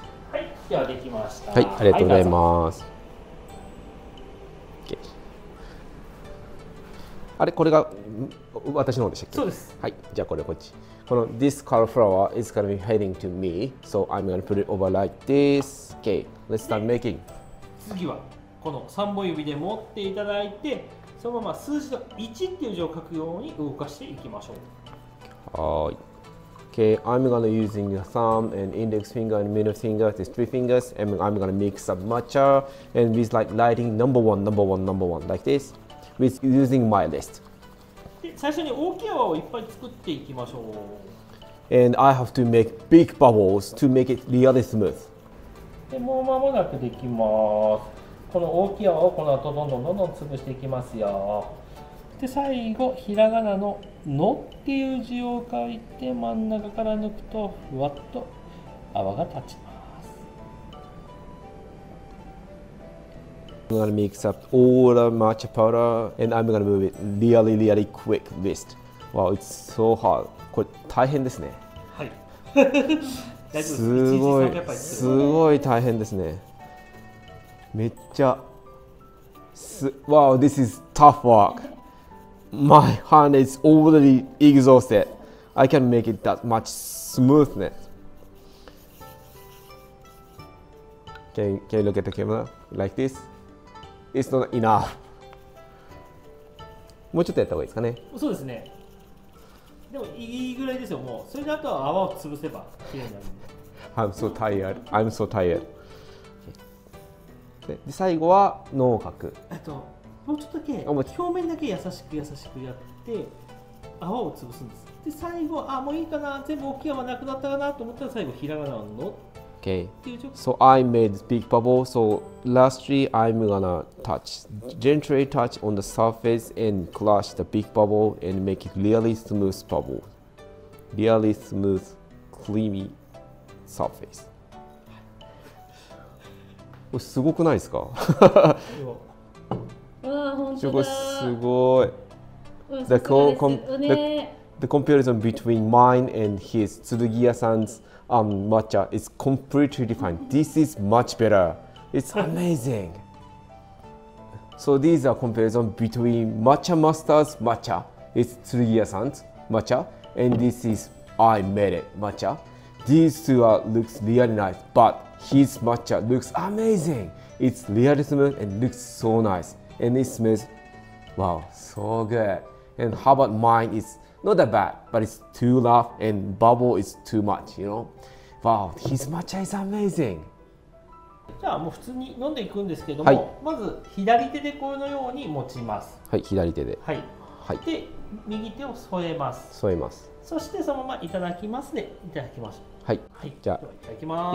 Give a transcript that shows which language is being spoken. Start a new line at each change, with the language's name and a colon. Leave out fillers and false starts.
Japanese: はい、ではできました。はい、ありがとうございます。はい、あれ、これが私の方でしたっけ。そうです。はい、じゃあこれこっち。
English: この This cauliflower is gonna be heading to me, so I'm gonna put it over like this. Okay, let's start making.
Japanese: 次はこの3本指で持っていただいて、そのまま数字の1っていう字を書くように動かしていきましょう。はい。
English: Okay, I'm gonna using thumb and index finger and middle finger, these three fingers, and I'm gonna mix up matcha and with like lighting number one, number one, number one, like this. With using my list.
Japanese: で最初に大きい泡をいっぱい作っていきましょう。
English: And I have to make big bubbles to make it really smooth.
Japanese: でもう間もなくできます。この大きい泡をこの後どんどんどんどん潰していきますよ。で最後ひらがなののっていう字を書いて真ん中から抜くとふわっと泡が立ちます。
English: I'm gonna mix up all the matcha powder and I'm gonna move it really, really quick list. Wow, it's so hard.
Japanese: これ大変ですね。はい。すごい、すごい大変ですね。
English: めっちゃ、Wow, this is tough work. My hand is already exhausted. I can make it that much smoothness. Can you look at the camera like this? It's not enough.
Japanese: もうちょっとやった方がいいですかね。そうですね。でもいいぐらいですよ、もう。それであとは泡を潰せばきれいになる。
English: I'm so tired. I'm so tired.
Japanese: で最後は脳を描く。もうちょっとだけ表面だけ優しく優しくやって泡を潰すんです。で最後、あ、もういいかな、全部大きい泡なくなったかなと思ったら最後ひらがなの。の
English: Okay, so I made big bubble, so lastly I'm gonna touch, gently touch on the surface and crush the big bubble and make it really smooth bubble, really smooth, creamy surface.
Japanese: これすごくないですか？わー、ほんとだー。これすごい。
English: The comparison between mine and his, Tsurugiya-san's,matcha is completely different. This is much better. It's amazing. So these are comparison between matcha master's matcha. It's Tsurugiya-san's matcha. And this is I made it matcha. These two looks really nice, but his matcha looks amazing. It's really smooth and looks so nice. And it smells, wow, so good. And how about mine? It's not that bad, but it's too rough and bubble is too much, you know? Wow, his matcha is amazing.
Japanese: じゃあもう普通に飲んでいくんですけども、はい、まず左手でこのように持ちます。はい、左手で、はい、はい、で右手を添えます。添えます。そしてそのままいただきますで、ね、いただきましょう。はい、はい、じゃあいただきます。